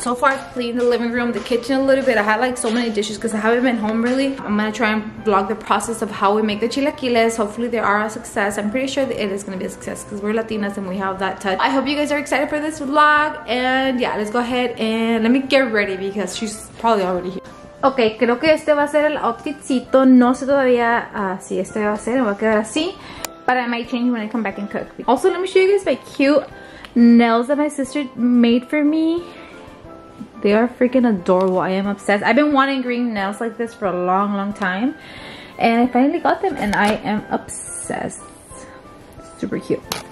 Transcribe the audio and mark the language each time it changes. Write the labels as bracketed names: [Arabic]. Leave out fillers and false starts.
[English] So far I've cleaned the living room, the kitchen a little bit. I had like so many dishes because I haven't been home really. I'm gonna try and vlog the process of how we make the chilaquiles. Hopefully they are a success. I'm pretty sure that it is gonna be a success because we're Latinas and we have that touch. I hope you guys are excited for this vlog, and yeah, let's go ahead and let me get ready because she's probably already here. [Spanish] Ok, creo que este va a ser el outfitcito. No sé todavía si este va a ser, me va a quedar así. [English] But I might change when I come back and cook. Also, let me show you guys my cute nails that my sister made for me. They are freaking adorable. I am obsessed. I've been wanting green nails like this for a long, long time, and I finally got them, and I am obsessed. Super cute.